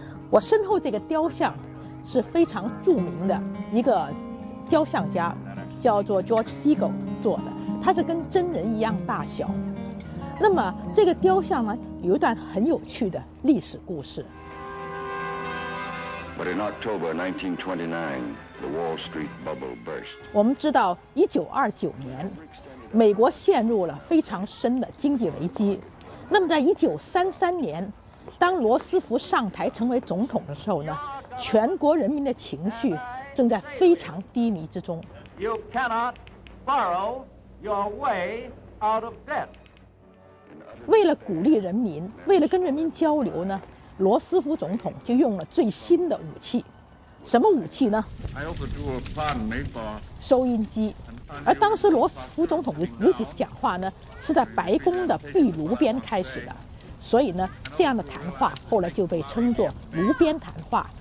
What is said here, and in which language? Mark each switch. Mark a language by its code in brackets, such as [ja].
[zh] 我身后这个雕像是非常著名的一个雕像家，叫做 George Segal 做的，他是跟真人一样大小。那么这个雕像呢，有一段很有趣的历史故事。 [en] But in October 1929, the Wall Street bubble burst. [zh] 我们知道1929年美国陷入了非常深的经济危机。那么在1933年，当罗斯福上台成为总统的时候呢，全国人民的情绪正在非常低迷之中。 [en] You cannot borrow your way out of debt. [zh] 为了鼓励人民，为了跟人民交流呢，罗斯福总统就用了最新的武器。什么武器呢？ [en] I also drew a pardon me for [zh] 收音机。而当时罗斯福总统的第一次讲话呢，是在白宫的壁炉边开始的，所以呢，这样的谈话后来就被称作炉边谈话。